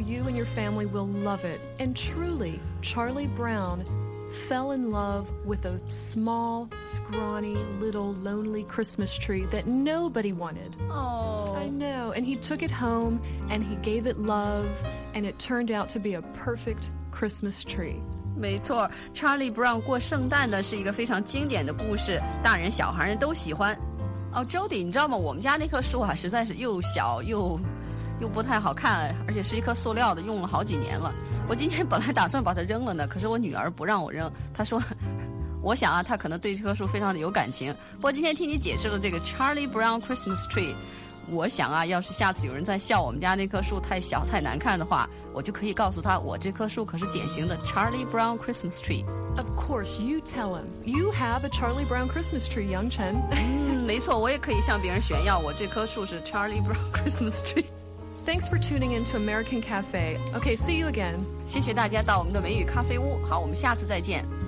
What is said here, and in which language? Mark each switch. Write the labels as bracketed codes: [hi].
[en] You and your family will love it. And truly, Charlie Brown fell in love with a small, scrawny, little, lonely Christmas tree that nobody wanted. Oh. I know. And he took it home, and he gave it love, and it turned out to be a perfect... Christmas tree. [zh] 没错 ,Charlie Brown 过圣诞呢是一个非常经典的故事，大人小孩都喜欢。哦 ,Jody, 你知道吗，我们家那棵树啊实在是又小又不太好看，而且是一棵塑料的，用了好几年了。我今天本来打算把它扔了呢，可是我女儿不让我扔，她说我想啊她可能对这棵树非常的有感情。不过今天听你解释了这个 Charlie Brown Christmas tree,我想啊，要是下次有人再笑我们家那棵树太小太难看的话，我就可以告诉他，我这棵树可是典型的 Charlie Brown Christmas tree. [en] Of course, you tell him. You have a Charlie Brown Christmas tree, Young Chen. [zh] 没错，我也可以向别人炫耀我这棵树是 Charlie Brown Christmas tree. [en] Thanks for tuning in to American Cafe. Okay, see you again. [zh] 谢谢大家到我们的美语咖啡屋。好，我们下次再见。